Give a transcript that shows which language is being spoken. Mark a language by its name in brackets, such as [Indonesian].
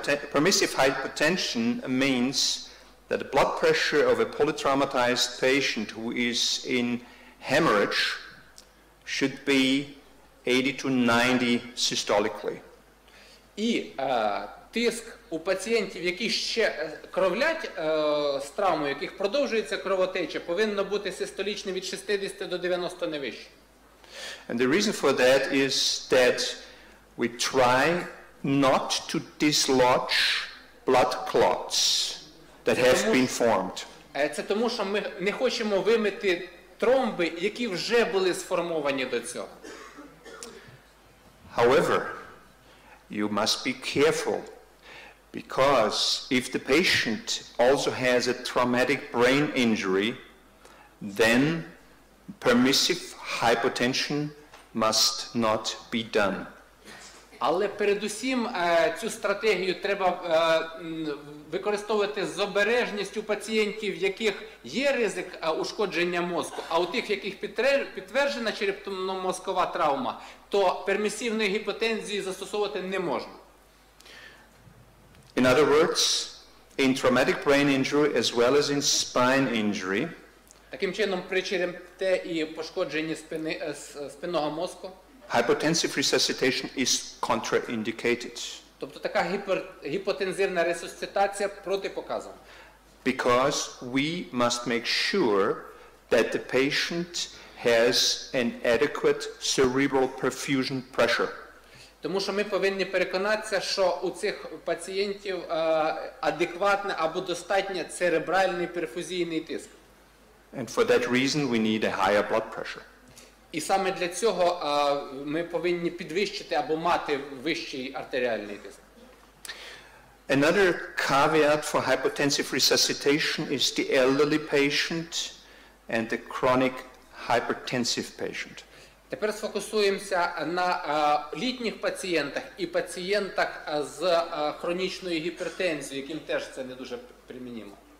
[English] Permissive hypotension means that the blood pressure of a polytraumatized patient who is in hemorrhage should be 80 to 90 systolically. [Ukrainian] І тиск у пацієнтів, які ще кровлять з травмою, яких продовжується кровотеча, повинно бути систолічне від 60 до 90 не вище. [English] And the reason for that is that we try not to dislodge blood clots that have been formed. [Ukrainian] Це тому, що ми не хочемо вимити тромби, які вже були сформовані до цього. [English] However, you must be careful, because if the patient also has a traumatic brain injury, then permissive hypotension must not be done. [Ukrainian] Але передусім цю стратегію треба використовувати з обережністю пацієнтів, в яких є ризик ушкодження мозку, а у тих, в яких підтверджена черепно-мозкова травма, то пермісивної гіпотензії застосовувати не можна. [English] In other words, in traumatic brain injury as well as in spine injury, [Ukrainian] таким чином при черепте і пошкодженні спинного мозку, [English] hypotensive resuscitation is contraindicated. [Ukrainian] Тобто така гіпотензивна ресуситація протипоказана. [English] Because we must make sure that the patient has an adequate cerebral perfusion pressure. [Ukrainian] Тому що ми повинні переконатися, що у цих пацієнтів адекватне або достатнє церебральний перфузійний тиск. [English] And for that reason we need a higher blood pressure. [Ukrainian] І саме для цього ми повинні підвищити або мати вищий артеріальний тиск. [English] Another caveat for hypotensive resuscitation is the elderly patient and the chronic hypertensive patient. [Ukrainian] Тепер сфокусуємося на літніх пацієнтах і пацієнтах з хронічною гіпертензією, яким теж це не дуже примінимо.